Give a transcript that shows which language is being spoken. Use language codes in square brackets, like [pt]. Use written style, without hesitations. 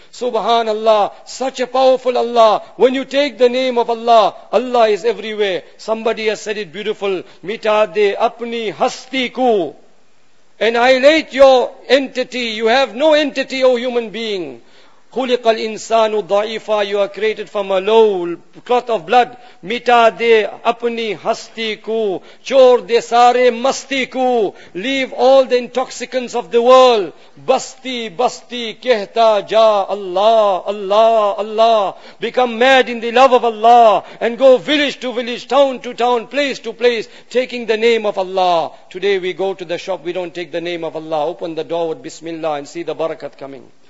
[en] Subhanallah, such a powerful Allah. When you take the name of Allah, Allah is everywhere. Somebody has said it beautiful. [ur] Mita de apni hasti ku. [en] Annihilate your entity. You have no entity, O human being. [ar] خلق الانسان ضعيفا, [en] you are created from a low cloth of blood. [ur] مٹا دے اپنی ہستی کو, چھوڑ دے سارے مستی کو, [en] leave all the intoxicants of the world. [ur] بستی بستی کہتا جا, اللہ اللہ [en] اللہ, become mad in the love of Allah and go village to village, town to town, place to place, taking the name of Allah. Today we go to the shop, we don't take the name of Allah. Open the door with Bismillah and see the barakat coming.